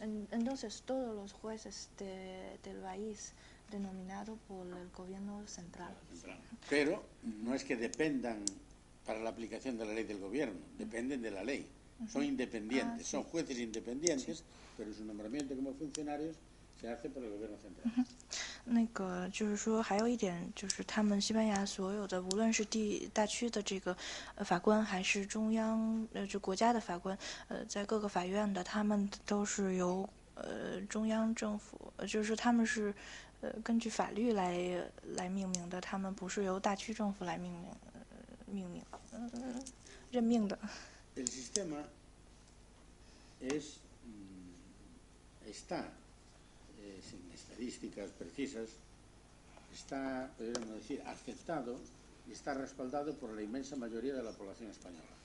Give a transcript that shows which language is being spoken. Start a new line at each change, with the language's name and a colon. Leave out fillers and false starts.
Spanish: Entonces todos los jueces del país denominado por el gobierno central. Pero no es que dependan para la aplicación de la ley del gobierno, dependen de la ley. Son independientes, son jueces independientes, pero su nombramiento como funcionarios se hace por el gobierno central.
Chinese: 那个就是说还有一点就是他们西班牙所有的无论是地大区的这个法官还是中央就国家的法官在各个法院的他们都是由中央政府就是他们是根据法律来命名的他们不是由大区政府来命名任命的
Spanish: El sistema es está sin estadísticas precisas, está, podríamos decir, aceptado y está respaldado por la inmensa mayoría de la población española.